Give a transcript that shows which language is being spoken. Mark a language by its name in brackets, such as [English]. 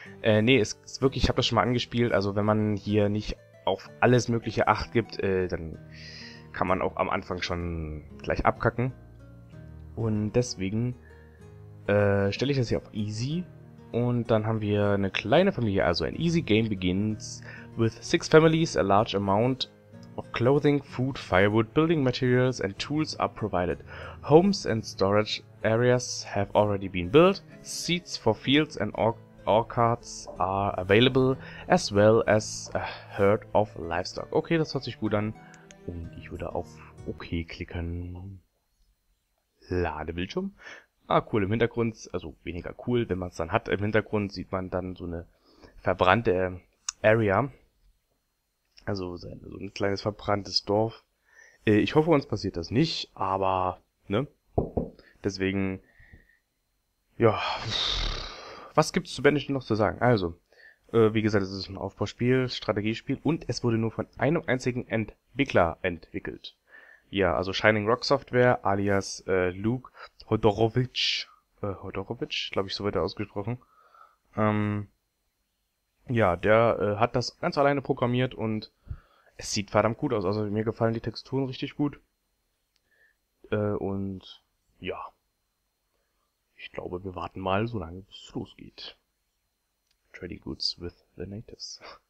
[German] Nee, es ist wirklich, ich habe das schon mal angespielt. Also wenn man hier nicht auf alles Mögliche Acht gibt, dann kann man auch am Anfang schon gleich abkacken. Und deswegen stelle ich das hier auf Easy. Und dann haben wir eine kleine Familie. Also ein [English] Easy Game begins with six families. A large amount of clothing, food, firewood, building materials and tools are provided. Homes and storage areas have already been built. Seeds for fields and ore carts are available, as well as a herd of livestock. [German] Okay, das hört sich gut an. Und ich würde auf OK klicken. Ladebildschirm. Ah, cool, im Hintergrund, also weniger cool, wenn man es dann hat. Im Hintergrund sieht man dann so eine verbrannte Area. Also so ein kleines verbranntes Dorf. Ich hoffe, uns passiert das nicht, aber, ne? Deswegen, ja, was gibt's zu Banished noch zu sagen? Also, wie gesagt, es ist ein Aufbauspiel, Strategiespiel und es wurde nur von einem einzigen Entwickler entwickelt. Ja, also Shining Rock Software alias Luke Hodorowitsch. Hodorowitsch, glaube ich, so wird er ausgesprochen. Ja, der hat das ganz alleine programmiert und es sieht verdammt gut aus. Also mir gefallen die Texturen richtig gut. Und ja, ich glaube, wir warten mal so lange, bis es losgeht. [English] Trading goods with the natives.